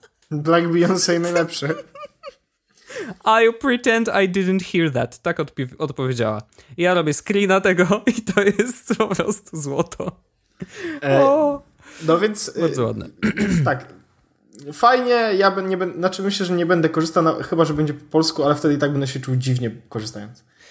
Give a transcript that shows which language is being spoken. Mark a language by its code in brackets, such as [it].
[pl] Black Beyoncé najlepsze. [en] I pretend I didn't hear that. [pl] Tak odpowiedziała. Ja robię screena tego i to jest po prostu złoto. No więc... Bardzo ładne. Tak. Fajnie, ja bym nie będę... Znaczy myślę, że nie będę korzystał, chyba, że będzie po polsku, ale wtedy i tak będę się czuł dziwnie korzystając.